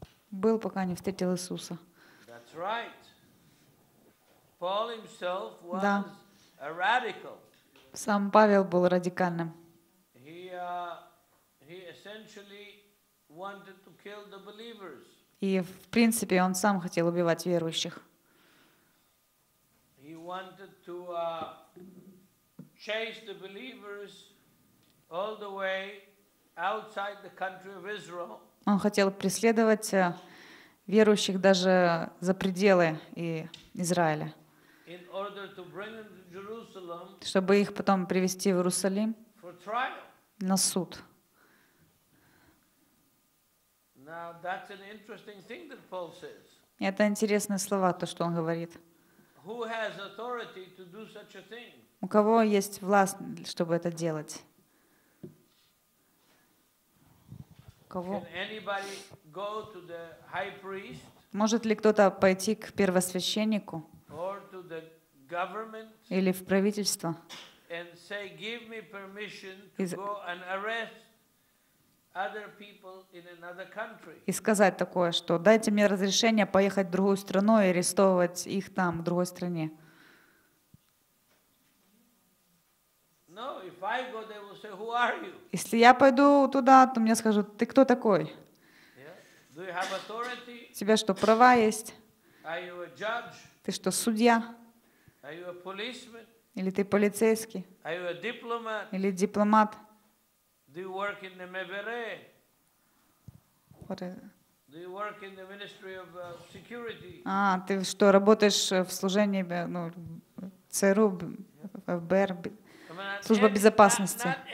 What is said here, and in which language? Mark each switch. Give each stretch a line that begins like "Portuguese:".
Russian: Был, пока не встретил Иисуса.
English: That's right. Paul himself was
Russian: да.
English: a radical.
Russian: Сам Павел был радикальным.
English: He essentially wanted to kill the believers.
Russian: И, в принципе, он сам хотел убивать верующих.
English: He wanted to chase the believers all the way outside the country of Israel.
Russian: Он хотел преследовать верующих даже за пределы и Израиля,
English: in order to bring them to Jerusalem,
Russian: чтобы их потом привести в Иерусалим
English: for trial.
Russian: На суд.
English: Now, that's an interesting thing that Paul says.
Russian: Это интересные слова, то, что он говорит.
English: Who has authority to do such a thing?
Russian: У кого есть власть, чтобы это делать? Кого?
English: Can anybody go to the high priest?
Russian: Может ли кто-то пойти к первосвященнику?
English: Or to the government?
Russian: Или в правительство?
English: And say, give me permission to go and arrest other people in another country.
Russian: И сказать такое, что дайте мне разрешение поехать в другую страну и арестовывать их там, в другой стране.
English: If I go, they will say, "Who are you?"
Russian: Если я пойду туда, то мне скажут: "Ты кто такой?"
English: Yeah. Do you have authority?
Russian: У тебя что, права есть?
English: Are you a judge?
Russian: Ты что, судья?
English: Are you a policeman?
Russian: Или ты полицейский?
English: Are you a diplomat?
Russian: Или дипломат?
English: Do you work in the MVRE? What is it? Do you work in the Ministry of Security?
Russian: А, ты что, работаешь в служении, ну, ЦРУ, ФБР? Служба безопасности.